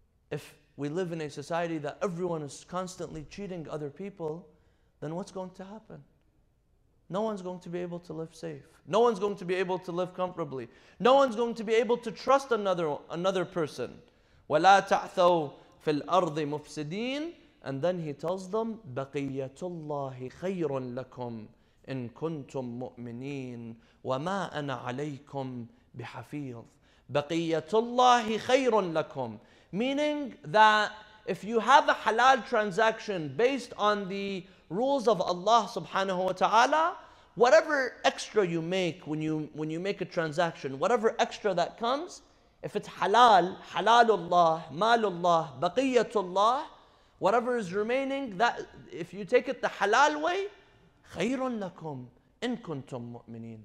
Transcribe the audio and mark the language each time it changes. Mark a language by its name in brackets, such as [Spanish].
[English] If we live in a society that everyone is constantly cheating other people, then what's going to happen? No one's going to be able to live safe. No one's going to be able to live comfortably. No one's going to be able to trust another person. [Arabic] وَلَا تَعْثَوْا فِي الْأَرْضِ مُفْسِدِينَ. [English] And then he tells them, [Arabic] بَقِيَّةُ اللَّهِ خَيْرٌ لَكُمْ إِن كُنْتُم مُؤْمِنِينَ وَمَا أَنَا عَلَيْكُمْ بِحَفِيظٌ. بَقِيَّةُ اللَّهِ خَيْرٌ لَكُمْ. [English] Meaning that if you have a halal transaction based on the rules of Allah subhanahu wa ta'ala, whatever extra you make when you make a transaction, whatever extra that comes, if it's halal, halalullah, malullah, baqiyatullah, whatever is remaining, that if you take it the halal way, [Arabic] khayrun lakum in kuntum mu'mineen.